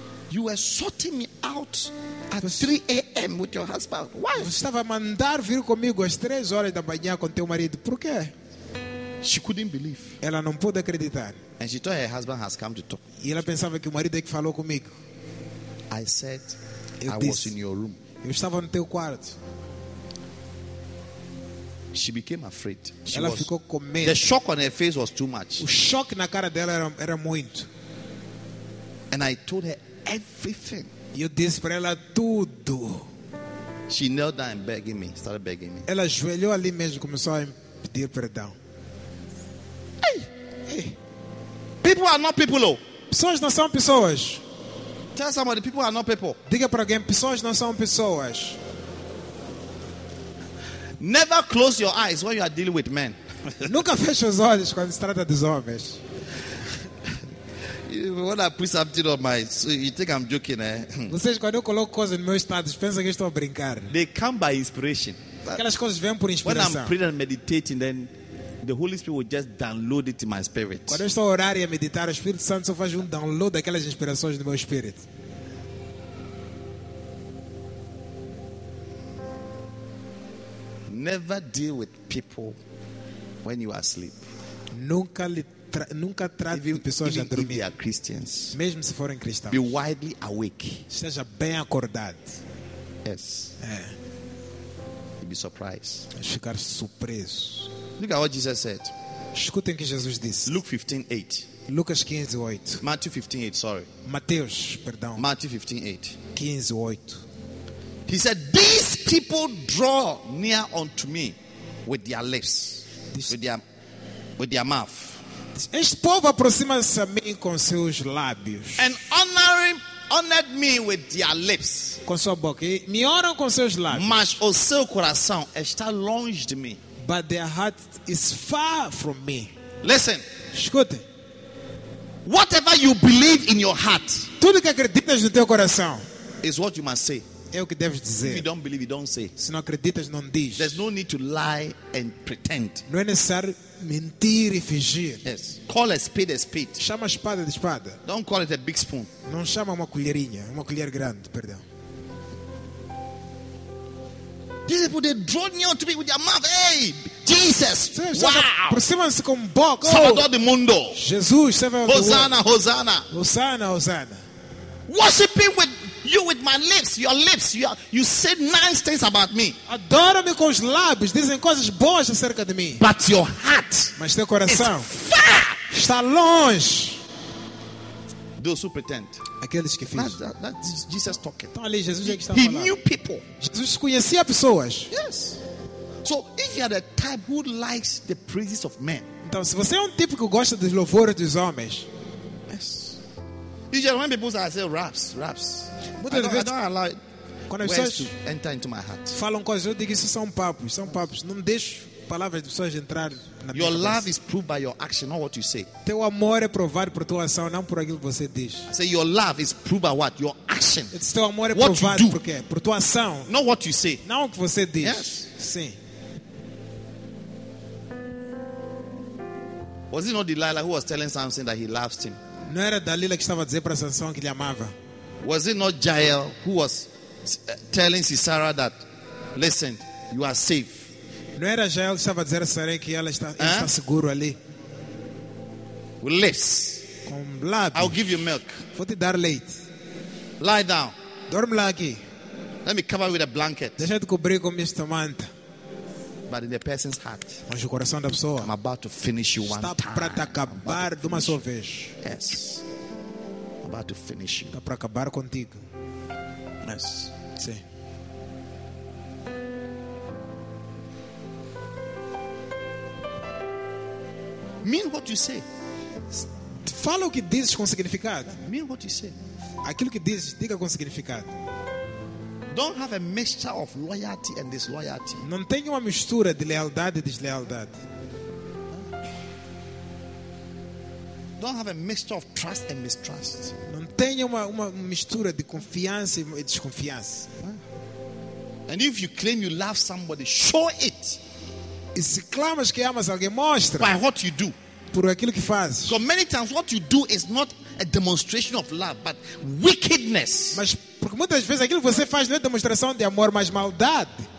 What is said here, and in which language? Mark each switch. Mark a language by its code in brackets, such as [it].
[en] You were sorting me out at 3 a.m. with your husband. Why? [pt] Você estava a mandar vir comigo às 3 horas da manhã com teu marido. Por quê? [en] She couldn't believe. [pt] Ela não pôde acreditar. [en] And she thought her husband has come to talk. [pt] E ela pensava que o marido é que falou comigo. [en] I said, [pt] eu [en] I [pt] disse, [en] was in your room. [pt] Eu estava no teu quarto. [en] She became afraid. [pt] Ela ficou com medo. [en] The shock on her face was too much. [pt] O choque na cara dela era muito. [en] And I told her everything. [pt] Eu disse para ela tudo. [en] She knelt down and begging me, started begging me. [pt] Ela ajoelhou ali mesmo, começou a pedir perdão. [en] Hey, people are not people. [pt] Pessoas não são pessoas. [en] Tell somebody, people are not people. [pt] Diga para alguém, pessoas não são pessoas. [en] Never close your eyes when you are dealing with men. [pt] Nunca feche os olhos quando se trata dos homens. [en] When I put something on my, so you think I'm joking, eh? [pt] Vocês quando eu coloco coisas no meu estado, pensam que estou a brincar. [en] They come by inspiration. [pt] Aquelas coisas vêm por inspiração. [en] When I'm praying and meditating, then the Holy Spirit will just download it in my spirit. [pt] Quando eu estou a orar e a meditar, o Espírito Santo só faz download daquelas inspirações no meu espírito. [en] Never deal with people when you are asleep. [pt] Nunca trate [en] even, [pt] pessoas [en] even [pt] a dormir. [en] If they are Christians, [pt] mesmo se forem cristãos. [en] Be widely awake. [pt] Seja bem acordado. [en] Yes. [pt] É. [en] You'll be surprised. [pt] Ficar surpreso. [en] Look at what Jesus said. [pt] Escutem o que Jesus disse. [en] Luke 15:8. [pt] Lucas 15:8. [en] Matthew 15:8. Sorry. [pt] Mateus, perdão. [en] Matthew 15:8. [pt] 15:8. [en] He said, "These people draw near unto me with their lips, with their mouth. [pt] Este povo aproxima-se a mim com seus lábios. [en] And honored me with their lips. [pt] Com sua boca, me honram com seus lábios. Mas o seu coração está longe de mim. [en] But their heart is far from me. Listen. [pt] Escute. [en] Whatever you believe in your heart, [pt] tudo que acreditas no teu coração, [en] is what you must say." [pt] É o que deves dizer. [en] If you don't believe, you don't say. [pt] Se não acreditas, não diz. [en] There's no need to lie and pretend. [pt] Não é necessário mentir e fingir. [en] Yes. Call a spade a spade. [pt] Chama a espada de espada. [en] Don't call it a big spoon. [pt] Não chama uma colherinha, uma colher grande, perdão. [en] These people, they draw near to me with their mouth. Hey, Jesus! Wow! [pt] Aproximam-se com boca. Salvador do mundo. Jesus, Salvador do mundo. Hosanna, Hosanna. Hosanna, Hosanna. [en] Worshiping with you with my lips, your lips, you say nice things about me. [pt] Adoro-me com os lábios, dizem coisas boas acerca de mim. [en] But your heart, [pt] mas teu coração, [en] is far. [pt] Está longe. [en] Those who pretend, [pt] aqueles que fingem. [en] That's Jesus talking. [pt] Então, ali, Jesus é que está [en] he knew people. [pt] Jesus conhecia pessoas. [en] Yes. So if you are the type who likes the praises of men, [pt] então se você é tipo que gosta dos louvores dos homens, [en] yes. Usually when people say, I say raps. I don't allow words to enter into my heart. [pt] Falam coisas, eu digo, isso são papos. Não deixo palavras de pessoas entrar na minha cabeça. [en] Your love is proved by your action, not what you say. [pt] Teu amor é provado por tua ação, não por aquilo que você diz. [en] I say, your love is proved by what? Your action. It's [pt] teu amor é provado por quê? Por tua ação. [en] Not what you say. [pt] Não o que você diz. [en] Yes. [pt] Sim. [en] Was it not Delilah who was telling Samson that he loved him? [pt] Não era Dalila que estava a dizer para Sansão que lhe amava? [en] Was it not Jael who was telling Sisera that, listen, you are safe? [pt] Não era Jael que estava a dizer a Sisera que ela está seguro ali? [en] With lips. [pt] Com lábios. [en] I'll give you milk. [pt] Vou te dar leite. [en] Lie down. [pt] Dorme lá aqui. [en] Let me cover with a blanket. [pt] Deixa eu te cobrir com esta manta. [en] but in the person's heart. [pt] Mas o coração da pessoa, [en] I'm about to finish you one time. [pt] Está para acabar de uma só vez. [en] Yes. I'm about to finish you. [pt] Está para acabar contigo. [en] Yes. [pt] Sim. [en] Mean what you say. [pt] Fala o que dizes com significado. [en] Mean what you say. [pt] Aquilo que dizes, diga com significado. [en] Don't have a mixture of loyalty and disloyalty. [pt] Não tenha uma mistura de lealdade e deslealdade. [en] Don't have a mixture of trust and mistrust. [pt] Não tenha uma mistura de confiança e desconfiança. [en] And if you claim you love somebody, show it. [pt] E se clamas que amas alguém, mostra. [en] By what you do. [pt] Por aquilo que fazes. [en] Because many times what you do is not a demonstration of love, but wickedness. [pt] Mas porque muitas vezes aquilo que você faz não é demonstração de amor, mas maldade.